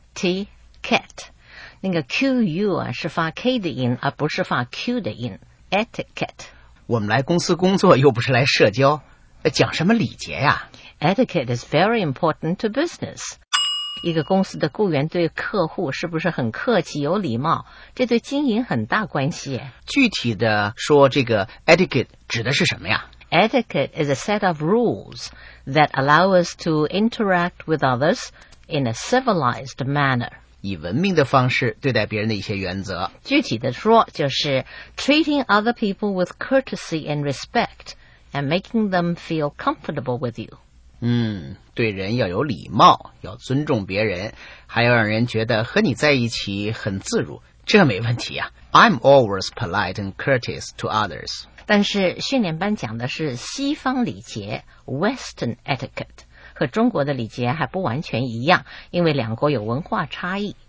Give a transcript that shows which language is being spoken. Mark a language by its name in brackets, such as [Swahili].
[Chinese] Etiquette. 那个 Q-U 啊是发 K 的音，而不是发 Q 的音。Etiquette. 我们来公司工作又不是来社交，讲什么礼节呀？ [English] Etiquette is very important to business. [Chinese] 一个公司的雇员对客户是不是很客气有礼貌，这对经营很大关系。具体的说，这个 etiquette 指的是什么呀？ [English] Etiquette is a set of rules that allow us to interact with others in a civilized manner. [Chinese] 以文明的方式对待别人的一些原则，具体的说就是 [English] treating other people with courtesy and respect and making them feel comfortable with you。 [Chinese] 嗯，对人要有礼貌，要尊重别人，还要让人觉得和你在一起很自如，这没问题啊。 [English] I'm always polite and courteous to others。 [Chinese] 但是训练班讲的是西方礼节 Western etiquette，和中国的礼节还不完全一样，因为两国有文化差异。